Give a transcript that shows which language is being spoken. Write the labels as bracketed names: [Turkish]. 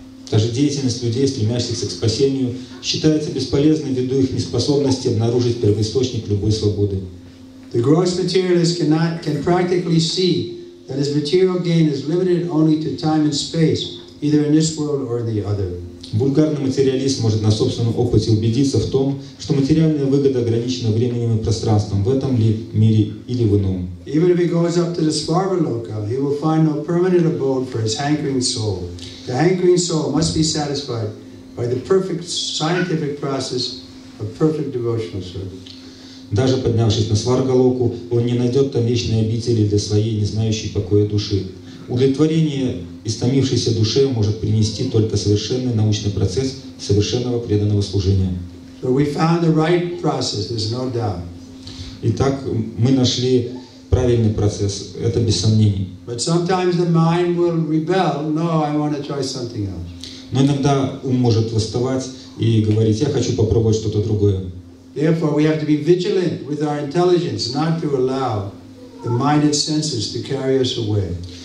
[Russian] Даже деятельность людей, стремящихся к спасению, считается бесполезной ввиду их неспособности обнаружить первоисточник любой свободы. [English] The gross materialist can practically see that his material gain is limited only to time and space, either in this world or the other. [Russian] Вульгарный материалист может на собственном опыте убедиться в том, что материальная выгода ограничена временем и пространством в этом ли мире или в ином. [English] Even if he goes up to the Svarvaloka, he will find no permanent abode for his hankering soul. The hankering soul must be satisfied by the perfect scientific process of perfect devotional service. [Russian] Даже поднявшись на Сваргалоку, он не найдет там вечной обители для своей не знающей покоя души. Удовлетворение истомившейся душе может принести только совершенный научный процесс совершенного преданного служения. [English] So we found the right process, there's no doubt. [Russian] Итак, мы нашли правильный процесс, это без сомнений. [English] But sometimes the mind will rebel. No, I want to try something else. [Russian] Но иногда ум может восставать и говорить: я хочу попробовать что-то другое. [English] Therefore, we have to be vigilant with our intelligence, not to allow the mind and senses to carry us away.